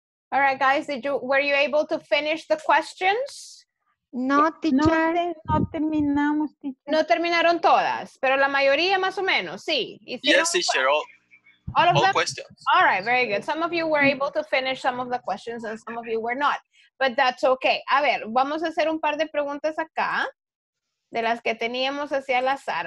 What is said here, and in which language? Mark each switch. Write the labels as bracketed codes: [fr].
[en] All right, guys, were you able to finish the questions? No, teacher. [es] No, no terminamos, teacher. No terminaron todas, pero la mayoría más o menos, sí. [en] Yes, teacher, all of them? Questions. All right, very good. Some of you were able to finish some of the questions and some of you were not, but that's okay. [es] A ver, vamos a hacer un par de preguntas acá de las que teníamos así al azar.